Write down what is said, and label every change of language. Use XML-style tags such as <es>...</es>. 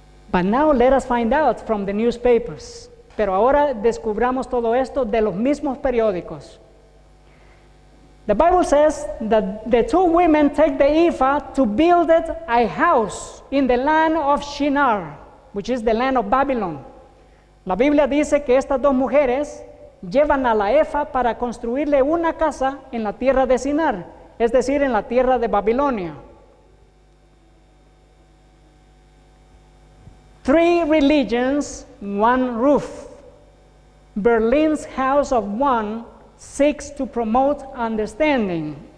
<en>But now let us find out from the newspapers.</en> <es>Pero ahora descubramos todo esto de los mismos periódicos.</es> <en>The Bible says that the two women take the ephah to build it a house in the land of Shinar, which is the land of Babylon.</en> <es>La Biblia dice que estas dos mujeres llevan a la ephah para construirle una casa en la tierra de Shinar, es decir, en la tierra de Babilonia.</es> <en>Three religions, one roof. Berlin's House of One seeks to promote understanding.</en>